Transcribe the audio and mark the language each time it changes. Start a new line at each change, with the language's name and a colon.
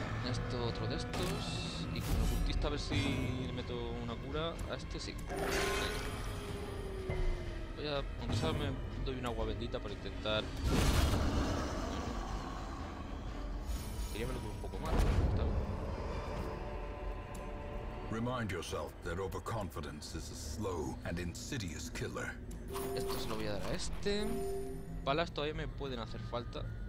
Spanish: Esto, otro de estos. Y con el cultista a ver si le meto una cura. A este sí. Voy a... Aunque sea me doy un agua bendita para intentar... Quería verlo un poco más.
English: Remind yourself that overconfidence is a slow and insidious killer.
Spanish: Esto se lo voy a dar a este. Balas todavía me pueden hacer falta.